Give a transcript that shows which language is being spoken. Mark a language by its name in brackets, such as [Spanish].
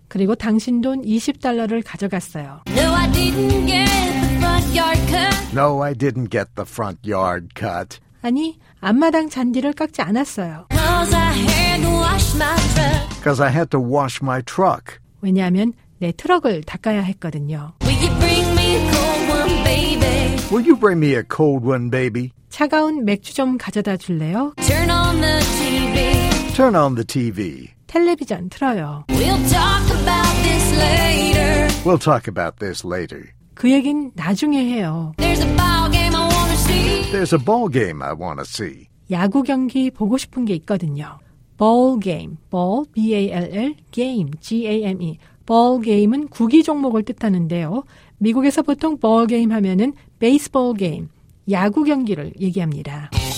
[Korean] 그리고 당신 돈 $20를 가져갔어요. [English] No, I didn't get the front yard cut. No, I didn't get the front yard cut. [Korean] 아니, 앞마당 잔디를 깎지 않았어요. [English] Cause I had to wash my truck. Cause I had to wash my truck. [Korean] 왜냐하면 내 트럭을 닦아야 했거든요. [English] Will you bring me a cold one, baby? Will you bring me a cold one, baby? [Korean] 차가운 맥주 좀 가져다 줄래요? [English] Turn on the TV. Turn on the TV. [Korean] 텔레비전 틀어요. [English] We'll talk about this later. We'll talk about this later. [Korean] 그 얘긴 나중에 해요. [English] There's a ball game I want to see. There's a ball game I want to see. [Korean] 야구 경기 보고 싶은 게 있거든요. [English] Ball game. Ball, B-A-L-L, game, G-A-M-E. [Korean] Ball game은 구기 종목을 뜻하는데요. 미국에서 보통 ball game 하면은 baseball game, 야구 경기를 얘기합니다.